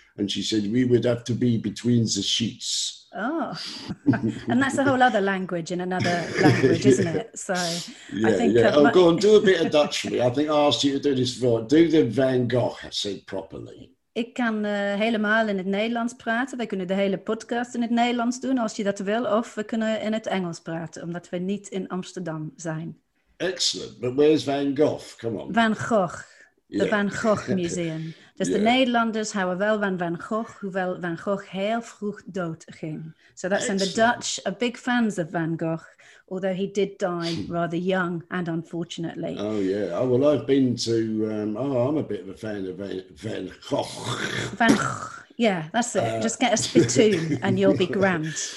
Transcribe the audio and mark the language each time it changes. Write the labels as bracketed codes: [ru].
[en] And she said, we would have to be between the sheets. Oh, and that's a whole other language in another language, isn't it? So go on, do a bit of Dutch for me. I think I asked you to do this before. Do the Van Gogh, I said properly. [nl] Ik kan helemaal in het Nederlands praten. Wij kunnen de hele podcast in het Nederlands doen, als je dat wil. Of we kunnen in het Engels praten, omdat we niet in Amsterdam zijn. [en] Excellent. But where's Van Gogh? Come on. Van Gogh. The Van Gogh Museum. [nl] Dus de Nederlanders houden wel van Van Gogh, hoewel Van Gogh heel vroeg dood ging. [en] So that's in the Dutch, are big fans of Van Gogh, although he did die rather young and unfortunately. Oh, yeah. Oh, well, I've been to... I'm a bit of a fan of Van Gogh. Van Gogh. Yeah, that's it. Just get a spittoon and you'll be grand.